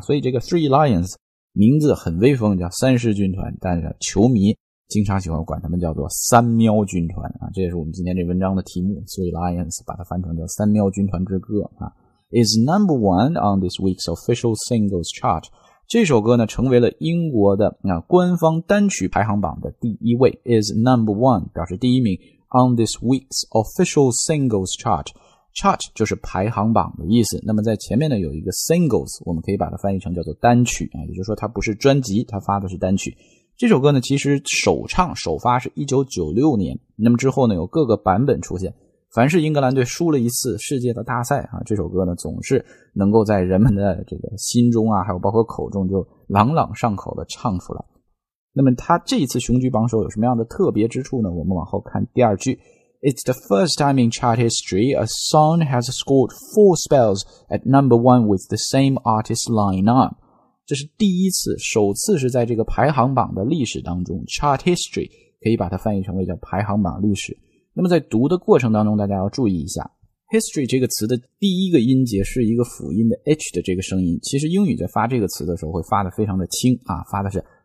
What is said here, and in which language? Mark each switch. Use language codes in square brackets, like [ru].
[zh] 所以这个 Three Lions 名字很威风，叫三狮军团，但是球迷经常喜欢管他们叫做三喵军团啊，这也是我们今天这文章的题目 Three Lions， 把它翻成叫三喵军团之歌啊。 [en] Is number one on this week's official singles chart， [zh] 这首歌呢成为了英国的啊官方单曲排行榜的第一位。 [en] Is number one [zh] 表示第一名。 [en] On this week's official singles chart. [zh] Chart 就是排行榜的意思。那么在前面呢有一个 singles， 我们可以把它翻译成叫做单曲，也就是说它不是专辑，它发的是单曲。这首歌呢其实首唱首发是1996年，那么之后呢有各个版本出现。凡是英格兰队输了一次世界的大赛啊，这首歌呢总是能够在人们的这个心中啊，还有包括口中就朗朗上口的唱出来。那么他这一次雄居榜首有什么样的特别之处呢？我们往后看第二句。 [en] It's the first time in chart history a song has scored four spells at number one with the same artist lineup. [zh] 这是第一次，首次是在这个排行榜的历史当中。 Chart history 可以把它翻译成为叫排行榜历史。那么在读的过程当中大家要注意一下。History 这个词的第一个音节是一个辅音的 H 的这个声音。其实英语在发这个词的时候会发的非常的轻啊，发的是